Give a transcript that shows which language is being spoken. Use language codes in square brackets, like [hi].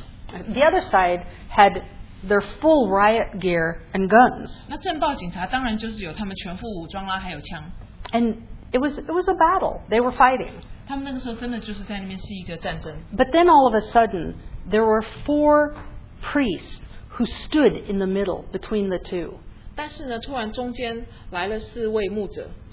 [en] The other side had their full riot gear and guns. [zh] 那政报警察当然就是有他们全副武装啦还有枪。 [en] And it was a battle. They were fighting. [zh] 他们那个时候真的就是在那边是一个战争。 [en] But then all of a sudden, there were four priests who stood in the middle between the two. [zh] 但是呢，突然中间来了四位牧者